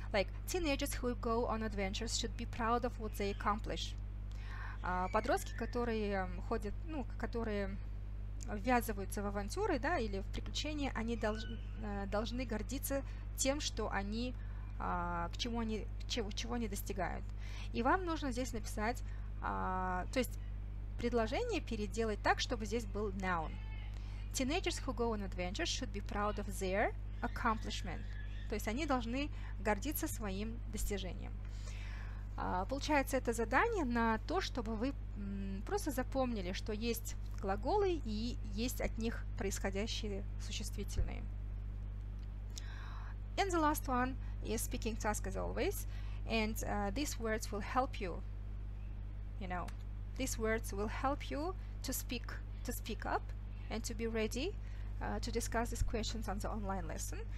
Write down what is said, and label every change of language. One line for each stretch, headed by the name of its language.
English: Like, teenagers who go on adventures should be proud of what they accomplish.
Russian: Подростки, которые ходят, ну, которые ввязываются в авантюры, да, или в приключения, они должны гордиться тем, что они, чего они достигают. И вам нужно здесь написать, то есть предложение переделать так, чтобы здесь был noun.
English: Teenagers who go on adventures should be proud of their accomplishment.
Russian: То есть они должны гордиться своим достижением. Получается, это задание на то, чтобы вы просто запомнили, что есть глаголы и есть от них происходящие существительные.
English: And the last one is speaking task as always. And these words will help you, you know, these words will help you to speak up and to be ready to discuss these questions on the online lesson.